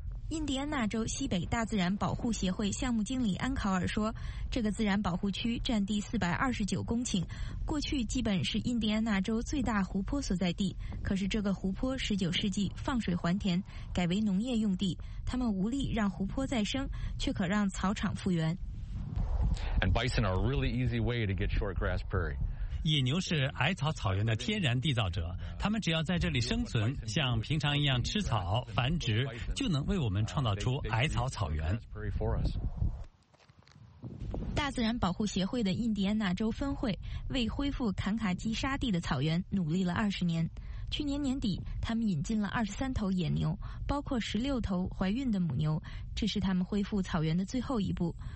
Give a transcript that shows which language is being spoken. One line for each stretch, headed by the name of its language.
Chinese: 印第安纳州西北大自然保护协会项目经理安考尔说，这个自然保护区占地429公顷，过去基本是印第安纳州最大湖泊所在地，可是这个湖泊19世纪放水还田，改为农业用地，他们无力让湖泊再生，却可让草场复原。
English: And bison are a really easy way to get short grass prairie.
Chinese: 野牛是矮草草原的天然缔造者，他们只要在这里生存，像平常一样吃草繁殖，就能为我们创造出矮草草原。大自然保护协会的印第安纳州分会为恢复坎卡基沙地的草原努力了20年，去年年底他们引进了23头野牛，包括16头怀孕的母牛，这是他们恢复草原的最后一步。